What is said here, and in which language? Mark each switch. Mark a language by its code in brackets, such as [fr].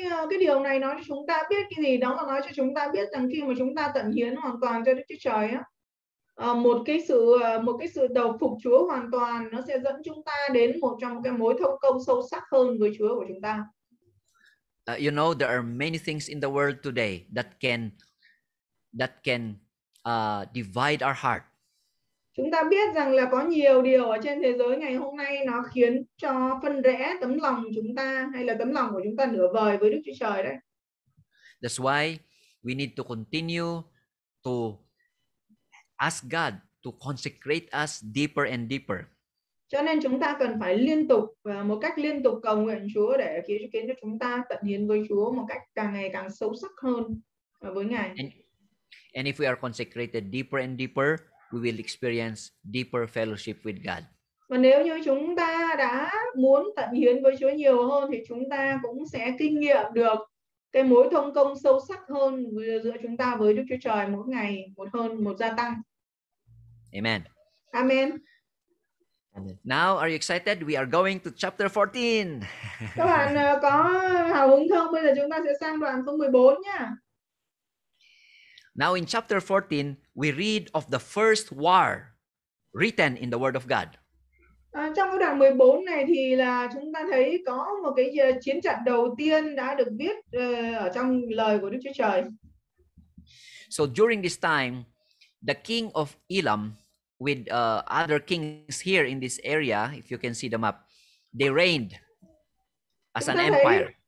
[vi] Cái điều này nói cho chúng ta biết cái gì? Đó là nói cho chúng ta biết rằng khi mà chúng ta tận hiến hoàn toàn cho Đức Chúa Trời á, một cái sự đầu phục Chúa hoàn toàn, nó sẽ dẫn chúng ta đến một trong cái mối thông công sâu sắc hơn với Chúa của chúng ta. [en] You know, there are many things in the world today that can divide our heart. [vi] Chúng ta biết rằng là có nhiều điều ở trên thế giới ngày hôm nay nó khiến cho phân rẽ tấm lòng chúng ta, hay là tấm lòng của chúng ta nửa vời với Đức Chúa Trời đấy. [en] That's why we need to continue to ask God to consecrate us deeper and deeper. [vi] Cho nên chúng ta cần phải liên tục, một cách liên tục cầu nguyện Chúa để khiến cho chúng ta tận hiến với Chúa một cách càng ngày càng sâu sắc hơn với Ngài. [en] And if we are consecrated deeper and deeper, we will experience deeper fellowship with God. [vi] Và nếu như chúng ta đã muốn tận hiến với Chúa nhiều hơn thì chúng ta cũng sẽ kinh nghiệm được cái mối thông công sâu sắc hơn giữa chúng ta với Đức Chúa Trời mỗi ngày một hơn, một gia tăng. Amen. Amen. [en] Now, are you excited? We are going to chapter 14. [vi] Các bạn có hào hứng không? Bây giờ chúng ta sẽ sang đoạn số 14 nha. [en] Now in chapter 14, we read of the first war written in the Word of God. [vi] Trong đoạn 14 này thì là chúng ta thấy có một cái chiến trận đầu tiên đã được viết ở trong lời của Đức Chúa Trời. [en] So during this time, the king of Elam with other kings here in this area, if you can see the map, they reigned as an empire.